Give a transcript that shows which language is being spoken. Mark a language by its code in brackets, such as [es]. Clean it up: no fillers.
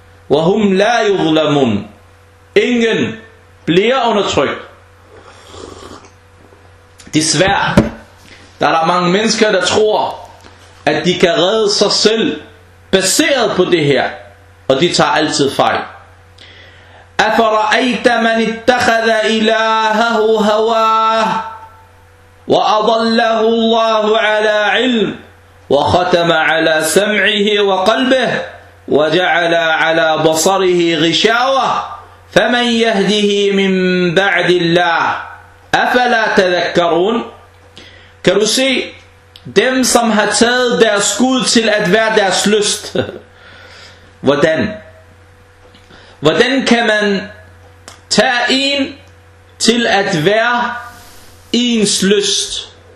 [ar] وَهُمْ لَا يُظْلَمُونَ. [da] Ingen bliver undertrykt. Desværre, der er der mange mennesker, der tror, at de kan redde sig selv, baseret på det her, og de tager altid fejl. [ar] أَفَرَأَيْتَ مَنِ اتَّخَذَ إِلَاهَهُ هَوَاهُ وأضله الله على علم وختم على سمعه وقلبه وجعل على بصره غشاوة فمن يهده من بعد الله أفلا تذكرون. [da] Kan du se dem, som har taget deres gud til at være deres lyst? Hvordan kan man tage en til at være ens lyst?